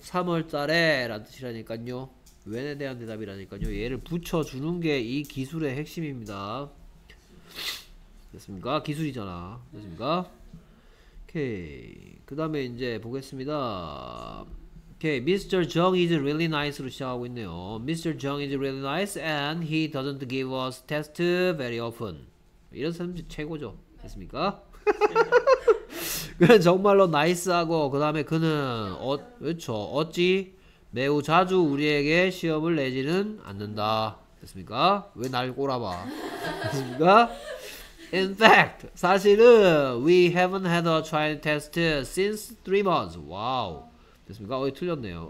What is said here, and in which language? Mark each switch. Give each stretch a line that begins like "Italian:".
Korean: 3월 달에 라는 뜻이라니까요. when에 대한 대답이라니까요. 얘를 붙여주는 게 이 기술의 핵심입니다. 됐습니까? 기술이잖아. 됐습니까? 오케이. 그 다음에 이제 보겠습니다. 오케이.
English: Mr. Jung is really nice로
Korean: 시작하고 있네요.
English: Mr. Jung is really nice and he doesn't give us tests very often.
Korean: 이런 사람 최고죠. 됐습니까? 그는 정말로 나이스하고 그 다음에 그는 그렇죠. 어찌 매우 자주 우리에게 시험을 내지는 않는다. 됐습니까? 왜 날 꼬라봐. 됐습니까?
English: In fact,
Korean: 사실은
English: we haven't had a trial test since 3 months.
Korean: 와우. 됐습니까? 어이 틀렸네요.